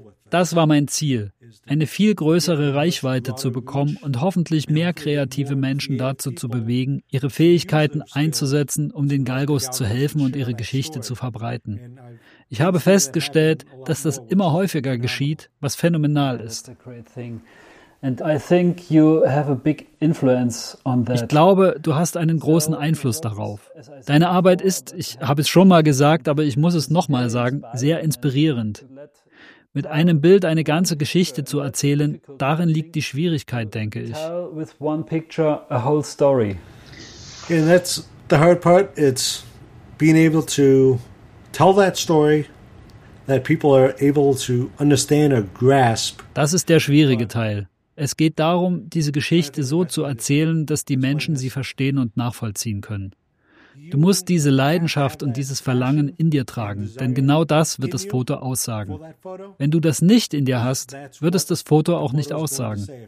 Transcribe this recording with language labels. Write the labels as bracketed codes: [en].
[de] Das war mein Ziel, eine viel größere Reichweite zu bekommen und hoffentlich mehr kreative Menschen dazu zu bewegen, ihre Fähigkeiten einzusetzen, um den Galgos zu helfen und ihre Geschichte zu verbreiten. Ich habe festgestellt, dass das immer häufiger geschieht, was phänomenal ist. [en] And I think you have a big influence on that. [de] Ich glaube, du hast einen großen Einfluss darauf. Deine Arbeit ist, ich habe es schon mal gesagt, aber ich muss es nochmal sagen, sehr inspirierend. Mit einem Bild eine ganze Geschichte zu erzählen, darin liegt die Schwierigkeit, denke ich. [en] Tell with one picture a whole story. And that's the hard part. It's being able to tell that story that people are able to understand or grasp. [de] Das ist der schwierige Teil. Es geht darum, diese Geschichte so zu erzählen, dass die Menschen sie verstehen und nachvollziehen können. Du musst diese Leidenschaft und dieses Verlangen in dir tragen, denn genau das wird das Foto aussagen. Wenn du das nicht in dir hast, wird es das Foto auch nicht aussagen.